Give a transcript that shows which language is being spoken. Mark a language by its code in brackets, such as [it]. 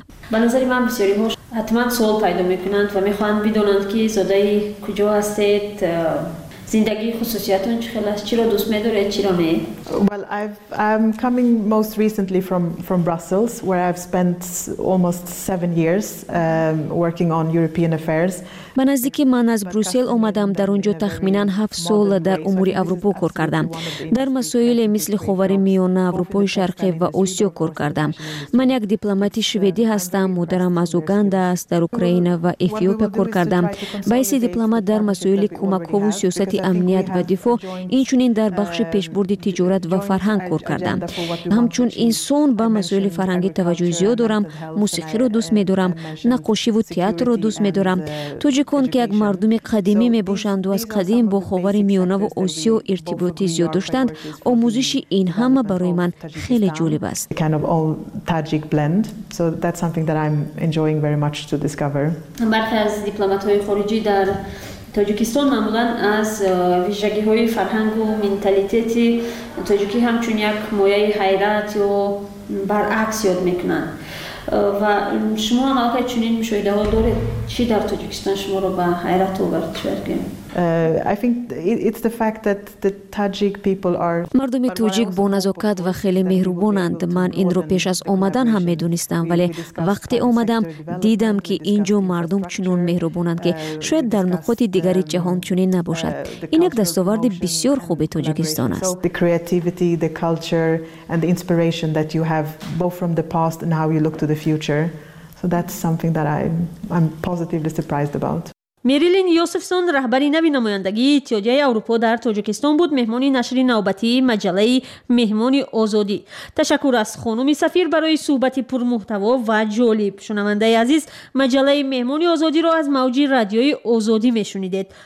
[fa] به نظر من بسیاری ها حتما سوال پیدا میکنند و میخواهند بدانند که زاده کجا هستید، زندگی خصوصیتون چی خیلی است، چی را دوست میدارید، چی را نه؟ [en] Well, I'm coming most recently from Brussels, where I've spent almost 7 years working on European affairs. [fa] من از اینکه من از بروسل آمدم در اونجا تخمیناً 7 سال در امور اروپا کار کردم. در مسائل مثل خاورمیانه، اروپای شرقی و آسیا کار کردم. من یک دیپلمات شوئدی هستم، مادرم از اوگاندا است، در اوکراین و اتیوپی کار کردم. بایسی دیپلمات در مسائل کمک و سیاست امنیت و دفاع، اینچنین در بخش پیشبرد تجارت و فرهنگ کار کردم. همچون انسان با مسائل فرهنگی توجه زیاد دارم، موسیقی رو دوست می‌دارم، نقاشی و تئاتر رو دوست می‌دارم. تاجیکان که یک مردم قدیمی می باشند و از قدیم با خاورمیانه و آسیا ارتباطی زیاد داشتند، آموزش این همه برای من خیلی جالب است. [en] Kind of all Tajik blend, so that's something that I'm enjoying very much to discover. [fa] برخی از دیپلمات‌های خارجی در تاجیکستان معمولاً از ویژگی‌های فرهنگ و منتالیتت تاجیکی همچون یک مایه حیرت و برعکس یاد می‌کنند. و شما هم آقای چنین مشاهده ها دارید، چی در تاجیکستان شما رو به حیرت آورد؟ شرکیم [en] I think it's the fact that the Tajik people are [fa] مردم توجیک با نزاکت و خیلی مهربانند. من این رو پیش از آمدن هم میدونستم، ولی وقتی آمدم دیدم که اینجا مردم چنون مهربانند که شاید در نقاط دیگری جهان چنین نباشد. این یک دستاورد بسیار خوب تاجیکستان است. [en] The creativity, the culture and the inspiration that you have both from the past and how you look to the future. So that's something that I'm positively surprised about. [fa] میریلین یوسفسون رهبری نوی نمایندگی اتحادیه اروپا در تاجیکستان بود، مهمانی نشری نوبتی مجله مهمانی آزادی. تشکر از خانم سفیر برای صحبت پرمحتوا و جالب. شنونده عزیز، مجله مهمانی آزادی را از موج رادیوی آزادی میشنیدید.